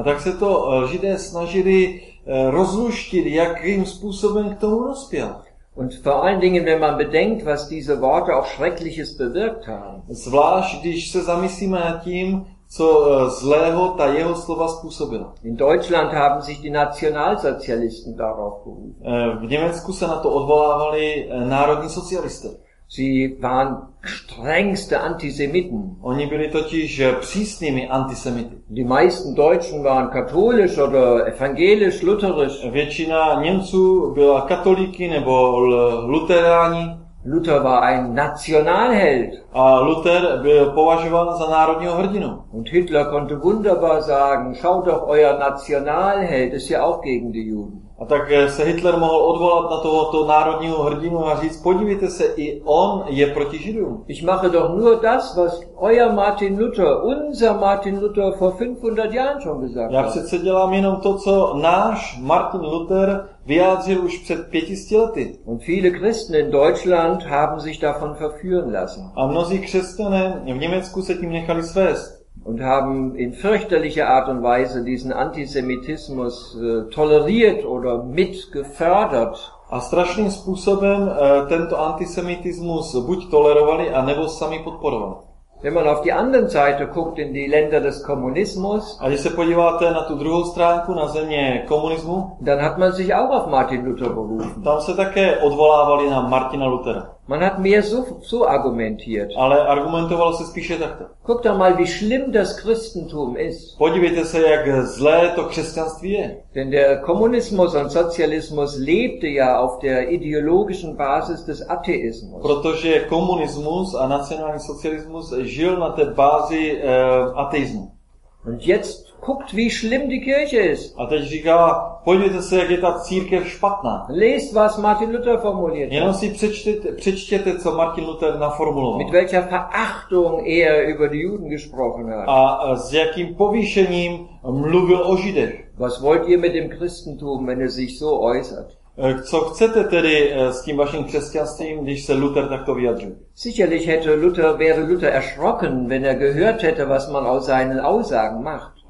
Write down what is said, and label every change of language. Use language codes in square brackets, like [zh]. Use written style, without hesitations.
[cs] A tak se to Židé snažili rozluštit, jakým způsobem k tomu dospěl. [de] Und vor allen Dingen, wenn man bedenkt, was diese Worte auch Schreckliches bewirkt haben. [cs] Zvlášť, když se zamyslíme nad tím, co zlého ta jeho slova způsobila. [de] In Deutschland haben sich die Nationalsozialisten darauf berufen. [cs] V Německu se na to odvolávali národní socialisté. [de] Sie waren strengste Antisemiten. [cs] Oni byli totiž přísnými antisemity. [de] Die meisten Deutschen waren katholisch oder evangelisch-lutherisch. [cs] Většina Němců byla katolíky nebo luteráni. [de] Luther war ein Nationalheld. [cs] A Luther byl považován za národního hrdinu. [de] Und Hitler konnte wunderbar sagen, schaut doch euer Nationalheld, ist ja auch gegen die Juden. [cs] A tak se Hitler mohl odvolat na tohoto národního hrdinu a říct, podívejte se, i on je proti Židům. [de] Ich mache doch nur das, was euer Martin Luther, unser Martin Luther vor 500 Jahren schon gesagt hat. [cs] Já přece dělám jenom to, co náš Martin Luther vyjádřil už před 500 lety. [de] Und viele Christen in Deutschland haben sich davon verführen lassen. [cs] A mnozí křesťané v Německu se tím nechali svést. [de] Und haben in fürchterlicher Art und Weise diesen Antisemitismus toleriert oder mitgefördert. [cs] A strašným způsobem tento antisemitismus buď tolerovali, anebo sami podporovali. [de] Wenn man auf die andere Seite guckt, in die Länder des Kommunismus, [cs] a když se podíváte na tu druhou stránku, na země komunismu, [de] dann hat man sich auch auf Martin Luther berufen. [cs] Tam se také odvolávali na Martina Luthera. [de] Man hat mehr so argumentiert. [cs] Ale argumentovalo se spíše takto. [de] Guck doch mal, wie schlimm das Christentum ist. [cs] Podívejte se, jak zlé to křesťanství je. [de] Denn der Kommunismus und Sozialismus lebte ja auf der ideologischen Basis des Atheismus. [cs] Protože komunismus a nacionální socialismus žil na té bázi ateismu. [de] Und jetzt Guckt, wie schlimm die Kirche ist. [cs] A teď říká, podívejte se, jak je ta církev špatná. [de] Lest, was Martin Luther formuliert. [cs] Jenom si přečtěte, co Martin Luther naformuloval. [de] Mit welcher Verachtung er über die Juden gesprochen hat. [cs] A s jakým povýšením mluvil o Židech. [de] Was wollt ihr mit dem Christentum, wenn er sich so äußert? [cs] Co chcete tedy s tím vaším křesťanstvím, když se Luther takto vyjadřuje? [de] Sicherlich hätte Luther, wäre Luther erschrocken, wenn er gehört hätte, was man aus seinen Aussagen macht.